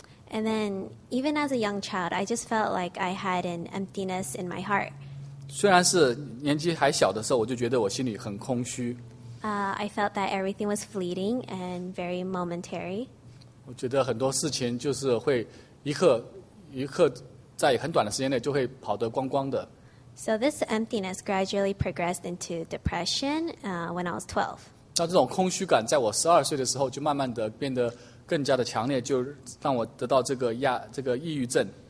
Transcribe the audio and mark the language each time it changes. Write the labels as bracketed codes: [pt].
[en] And then even as a young child, I just felt like I had an emptiness in my heart. [zh] 虽然是年纪还小的时候，我就觉得我心里很空虚。 [en] I felt that everything was fleeting and very momentary. [zh] 我觉得很多事情就是会一刻在很短的时间内就会跑得光光的。 [en] So this emptiness gradually progressed into depression when I was 12. [zh] 那这种空虚感在我12岁的时候就慢慢的变得更加的强烈，就让我得到这个抑郁症。